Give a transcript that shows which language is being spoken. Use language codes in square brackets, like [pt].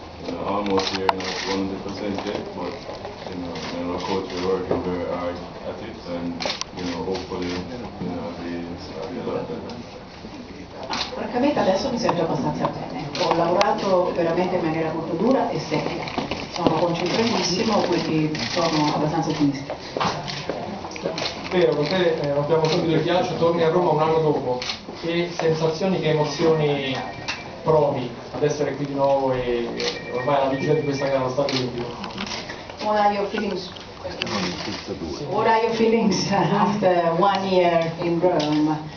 [en] Almost here, not 100% yet, but of course we're working very hard at it, and hopefully I'll be a lot better. [it] Francamente adesso mi sento abbastanza bene, ho lavorato veramente in maniera molto dura e secca, sono concentratissimo, quindi sono abbastanza ottimista. Vero, con te abbiamo subito il ghiaccio, torni a Roma un anno dopo, che sensazioni, che emozioni provi ad essere qui di nuovo e ormai alla vigilia di questa gara allo stadio Olimpico? [en] What are your feelings? What are your feelings after one year in Rome?